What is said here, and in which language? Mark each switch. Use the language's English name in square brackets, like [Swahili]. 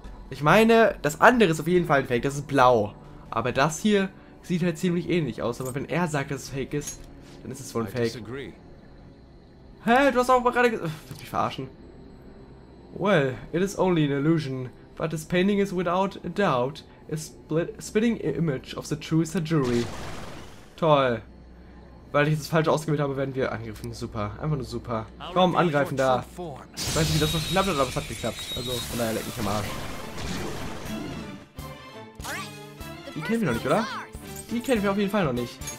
[German] Ich meine, das andere ist auf jeden Fall ein Fake, das ist blau. Aber das hier sieht halt ziemlich ähnlich aus, aber wenn er sagt, dass es Fake ist, dann ist es wohl ein Fake. [English] I disagree. [German] Hä, du hast auch gerade gesagt, willst mich verarschen? [English] Well, it is only an illusion, but this painting is without a doubt a spitting image of the true Sajuri. [German] Toll. Weil ich das falsch ausgewählt habe, werden wir angegriffen. Super. Einfach nur super. Komm, angreifen da. Ich weiß nicht, wie das noch geklappt hat, aber es hat geklappt. Also, von daher leck mich am Arsch. Die kennen wir noch nicht, oder? Die kennen wir auf jeden Fall noch nicht.